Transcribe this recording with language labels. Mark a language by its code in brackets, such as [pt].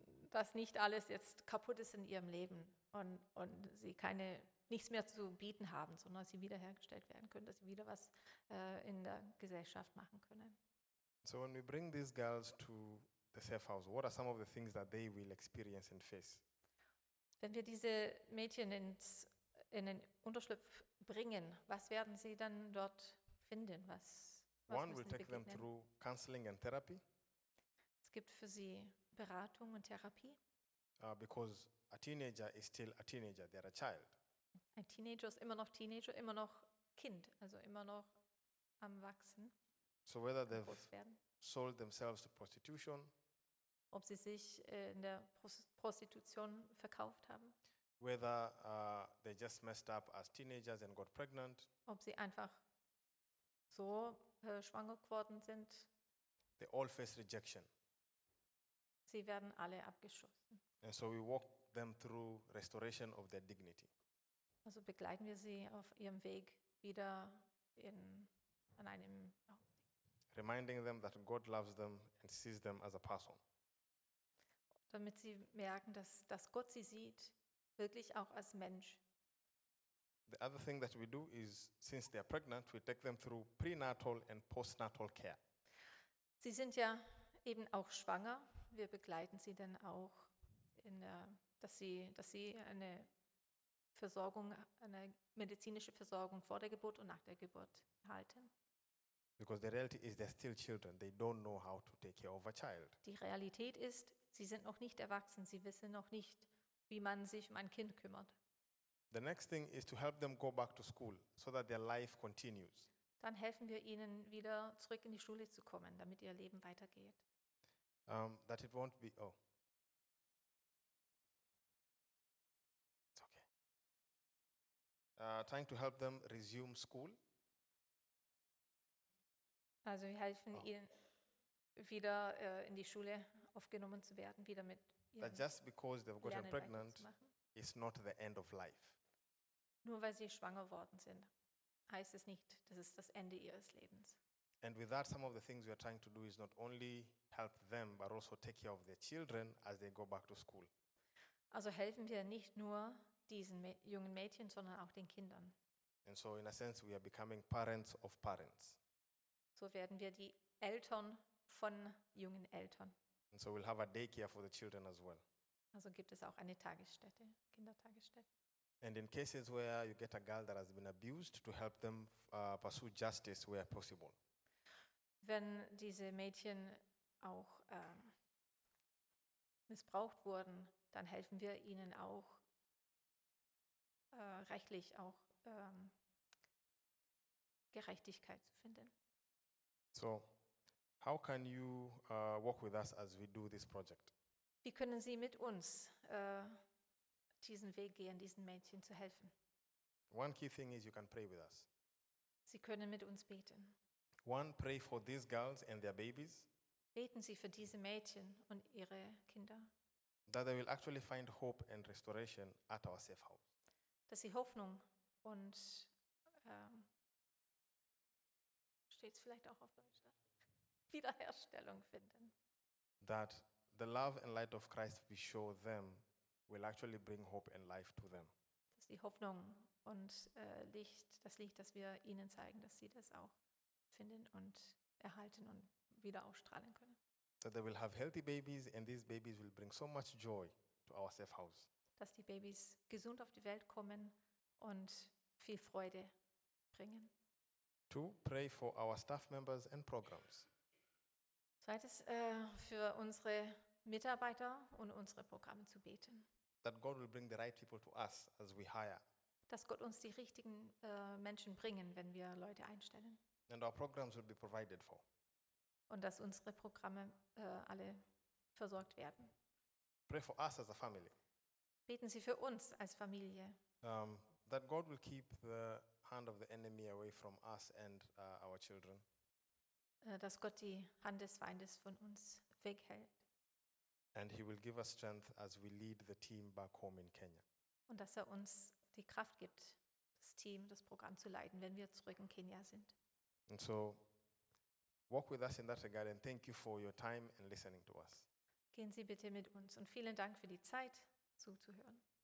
[de] Dass nicht alles jetzt kaputt ist in ihrem Leben und sie nichts mehr zu bieten haben, sondern sie wiederhergestellt werden können, dass sie wieder was in der Gesellschaft machen können. [en] So, when we bring these girls to the safe house, what are some of the things that they will experience and face? [de] Wenn wir diese Mädchen in den Unterschlupf bringen, was werden sie dann dort finden? [en] One will take them through counseling and therapy. [de] Es gibt für sie Beratung und Therapie. [en] Because a teenager is still a teenager, they are a child. [de] Ein Teenager, immer noch Kind, also immer noch am Wachsen. [en] So whether they've sold themselves to prostitution. [de] Ob sie sich in der Prostitution verkauft haben. [en] Whether they just messed up as teenagers and got pregnant. [de] Ob sie einfach so schwanger geworden sind. [en] They all face rejection. [de] Sie werden alle abgeschossen. [en] And so we walk them through restoration of their dignity. [de] Also begleiten wir sie auf ihrem Weg wieder an einem [en] Reminding them that God loves them and sees them as a person. [de] Damit sie merken, dass Gott sie sieht, wirklich auch als Mensch. [en] The other thing that we do is, since they are pregnant, we take them through prenatal and postnatal care. [de] Sie sind ja eben auch schwanger. Wir begleiten sie dann auch, dass sie eine Versorgung, eine medizinische Versorgung vor der Geburt und nach der Geburt erhalten. [en] Because the reality is they're still children. They don't know how to take care of a child. [de] Die Realität ist, sie sind noch nicht erwachsen. Sie wissen noch nicht, wie man sich um ein Kind kümmert. [en] The next thing is to help them go back to school so that their life continues. [de] Dann helfen wir ihnen wieder zurück in die Schule zu kommen, damit ihr Leben weitergeht. [en] That it won't be, oh. It's okay. Trying to help them resume school. [de] Also wir helfen ihnen, wieder in die Schule aufgenommen zu werden, wieder mit ihren [en] just because they've gotten pregnant is not the end of life. [de] Nur weil sie schwanger worden sind, heißt es nicht, das ist das Ende ihres Lebens. [en] And with that, some of the things we are trying to do is not only help them, but also take care of their children as they go back to school. [de] Also helfen wir nicht nur diesen jungen Mädchen, sondern auch den Kindern. [en] And so in a sense we are becoming parents of parents. [de] So werden wir die Eltern von jungen Eltern. [en] And so we'll have a daycare for the children as well. [de] Also gibt es auch eine Tagesstätte, Kindertagesstätte. [en] And in cases where you get a girl that has been abused, to help them pursue justice where possible. [de] Wenn diese Mädchen auch missbraucht wurden, dann helfen wir ihnen auch rechtlich auch Gerechtigkeit zu finden. [en] So, how can you work with us as we do this project? [de] Wie können Sie mit uns diesen Weg gehen, diesen Mädchen zu helfen? [en] One key thing is you can pray with us. [de] Sie können mit uns beten. [en] One, pray for these girls and their babies. [de] Beten Sie für diese Mädchen und ihre Kinder. [en] That they will actually find hope and restoration at our safe house. [de] Dass sie Hoffnung und steht's vielleicht auch auf Deutsch, ne? Wiederherstellung finden. [en] That the love and light of Christ we show them will actually bring hope and life to them. [de] Dass die Hoffnung und Licht, das Licht, das wir ihnen zeigen, dass sie das auch finden und erhalten und wieder ausstrahlen können. [en] That they will have healthy babies and these babies will bring so much joy to our safe house. [de] Dass die Babys gesund auf die Welt kommen und viel Freude bringen. [en] Two, pray for our staff members and programs. [de] Zweitens, für unsere Mitarbeiter und unsere Programme zu beten. [en] That God will bring the right people to us as we hire. [de] Dass Gott uns die richtigen Menschen bringen, wenn wir Leute einstellen. [en] And our programs will be provided for. [de] Und dass unsere Programme alle versorgt werden. [en] Pray for us as a family. [de] Beten Sie für uns als Familie. [en] That God will keep the hand of the enemy away from us and our children. [de] Dass Gott die Hand des Feindes von uns weghält. [en] And he will give us strength as we lead the team back home in Kenya. [de] Und dass er uns die Kraft gibt, das Team, das Programm zu leiten, wenn wir zurück in Kenia sind. [en] And so, walk with us in that regard and thank you for your time and listening to us. [de] Gehen Sie bitte mit uns und vielen Dank für die Zeit, zuzuhören.